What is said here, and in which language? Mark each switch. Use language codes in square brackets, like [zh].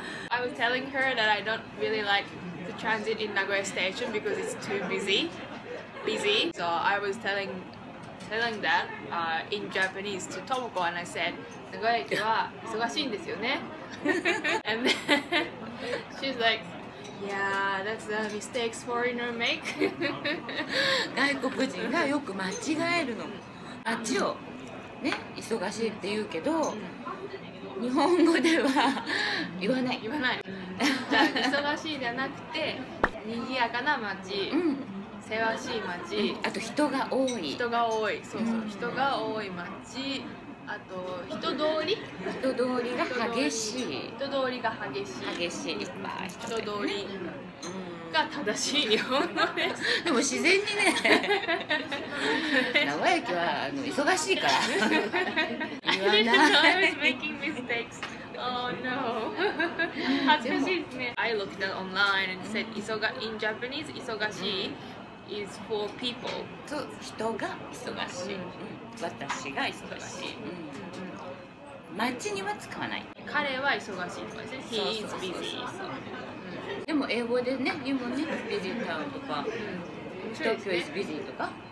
[en] I was telling her that I don't really like the transit in Nagoya station because it's too busy. So I was telling that in Japanese to Tomoko, and I said, [ja] Nagoya駅は忙しいんですよね? [en] And then she's like,Yeah, that's the mistakes foreigner make. [ja] 外国人がよく間違えるの。あっちをね、忙しいって言うけど、日本語では言わない。言わない。忙しいじゃなくて、賑やかな街、せわしい街、あと人が多い。人が多い。そうそう。人が多い街。あと人通り、人通りが激しい、人通りが激しい、激しい、いっぱい人通りが正しい日本語で、でも自然にね、名古屋駅は忙しいから言わない。 [en] I didn't know I was making mistakes. Oh no. [ja] 恥ずかしいですね。 [en] I looked at online and said in Japanese 忙しい is for people. [ja] そう、人が忙しい、私が忙しい、街には使わない。彼は忙しいとかですね。 [en] He is busy。 [ja] でも英語でね、言うもんね。 [en] Busy town とか、 Tokyo is busy とか、